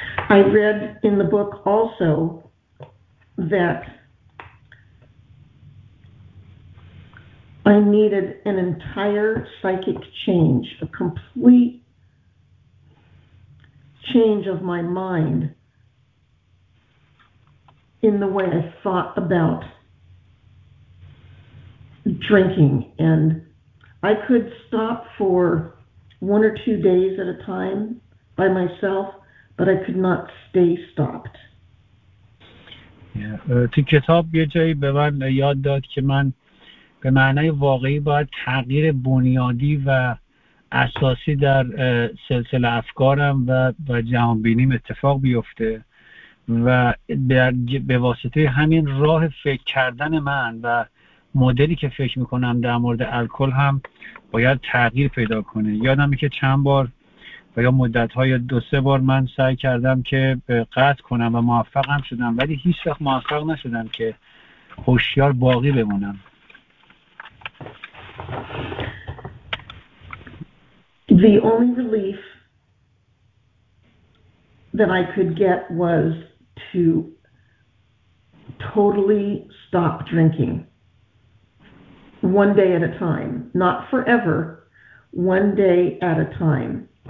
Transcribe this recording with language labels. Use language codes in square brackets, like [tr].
[en] I read in the book also that I needed an entire psychic change, a complete change of my mind in the way I thought about drinking. And I could stop for one or two days at a time by myself, but I could not stay stopped. [fa] تو کتاب یه جایی به من یاد داد که من به معنای واقعی باید تغییر بنیادی و اساسی در سلسله افکارم و جهان‌بینیم اتفاق بیفته، و به واسطه همین راه فکر کردن من و مدلی که فکر میکنم در مورد الکل هم باید تغییر پیدا کنه. یادمه که چند بار یا مدت‌های دو سه بار من سعی کردم که قطع کنم و موفقم شدم، ولی هیچ وقت موفق نشدم که هوشیار باقی بمونم. [en] The only relief that I could get was to totally stop drinking one day at a time, not forever, one day at a time.